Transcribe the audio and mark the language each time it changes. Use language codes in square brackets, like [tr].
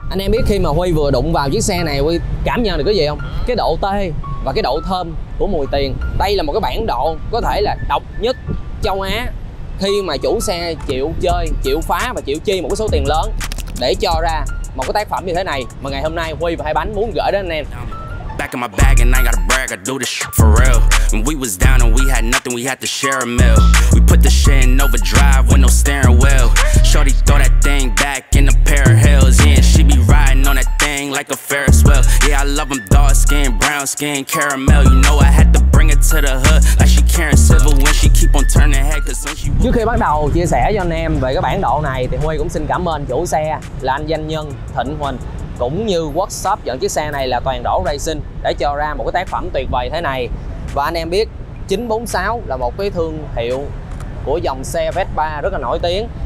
[vi] Anh em biết khi mà Huy vừa đụng vào chiếc xe này, Huy cảm nhận được cái gì không? Cái độ tê và cái độ thơm của mùi tiền. Đây là một cái bản độ có thể là độc nhất châu Á. Khi mà chủ xe chịu chơi, chịu phá và chịu chi một cái số tiền lớn để cho ra một cái tác phẩm như thế này, mà ngày hôm nay Huy và Hai Bánh muốn gửi đến anh em. [en] Back in my bag and I gotta brag, I do this shit for real. When we was down and we had nothing, we had to share a meal. We put the shit in overdrive with no steering wheel. Shorty throw that thing back in a pair of heels. Yeah, and she be riding on that thing like a Ferris wheel. Yeah, I love them dark skin, brown skin, caramel. You know I had to bring it to the hood like she carrying silver when she keep on turning head. Cause when she... [vi] Trước khi bắt đầu chia sẻ cho anh em về cái bản độ này, thì Huy cũng xin cảm ơn chủ xe là anh Danh Nhân Thịnh Huỳnh, cũng như workshop dẫn chiếc xe này là Toàn Đỗ Racing để cho ra một cái tác phẩm tuyệt vời thế này. Và anh em biết 946 là một cái thương hiệu của dòng xe Vespa rất là nổi tiếng.